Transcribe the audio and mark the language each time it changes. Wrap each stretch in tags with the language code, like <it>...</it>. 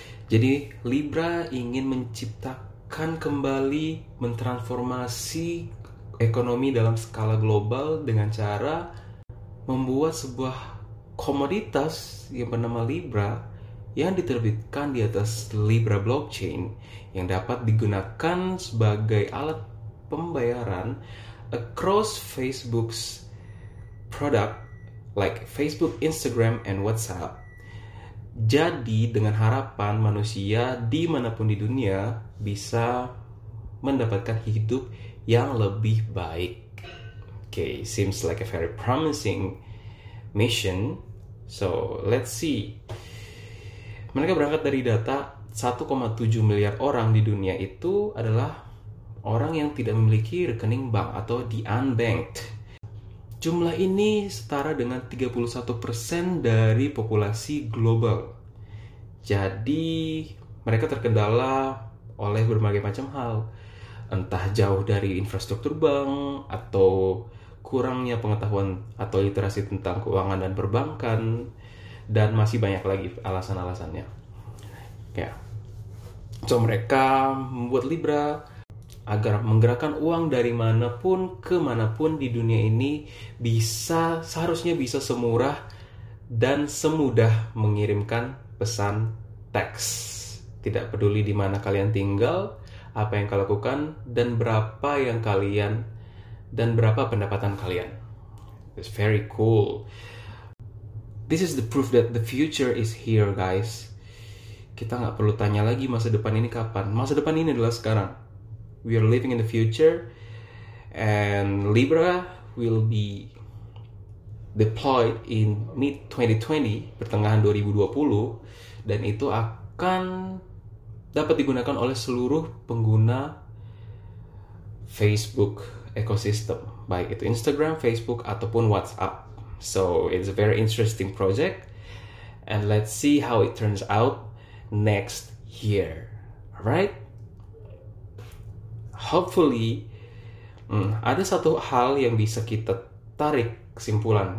<id>Jadi Libra ingin menciptakan kembali, mentransformasi ekonomi dalam skala global dengan cara membuat sebuah komoditas yang bernama Libra yang diterbitkan di atas Libra blockchain yang dapat digunakan sebagai alat pembayaran</id> <en>across Facebook's product like Facebook, Instagram, and WhatsApp.</en> <id>Jadi dengan harapan manusia dimanapun di dunia bisa mendapatkan hidup yang lebih baik.</id> <en>Okay, seems like a very promising mission. So let's see.</en> <id>Mereka berangkat dari data 1,7 miliar orang di dunia itu adalah orang yang tidak memiliki rekening bank atau</id> <en>the unbanked.</en> <id>Jumlah ini setara dengan 31% dari populasi global. Jadi mereka terkendala oleh berbagai macam hal. Entah jauh dari infrastruktur bank atau kurangnya pengetahuan atau literasi tentang keuangan dan perbankan. Dan masih banyak lagi alasan-alasannya. Ya. So, mereka membuat Libra agar menggerakkan uang dari manapun ke manapun di dunia ini bisa, seharusnya bisa semurah dan semudah mengirimkan pesan teks. Tidak peduli di mana kalian tinggal, apa yang kalian lakukan, dan berapa yang kalian dan berapa pendapatan kalian.</id> <en>It's very cool. This is the proof that the future is here, guys.</en> <id>Kita nggak perlu tanya lagi masa depan ini kapan. Masa depan ini adalah sekarang.</id> <en>We are living in the future. And Libra will be deployed in mid-2020,</en> <id>pertengahan 2020. Dan itu akan dapat digunakan oleh seluruh pengguna Facebook ekosistem. Baik itu Instagram, Facebook, ataupun WhatsApp.</id> <en>So it's a very interesting project, and let's see how it turns out next year. Alright? Hopefully,</en> <id>ada satu hal yang bisa kita tarik kesimpulan.</id>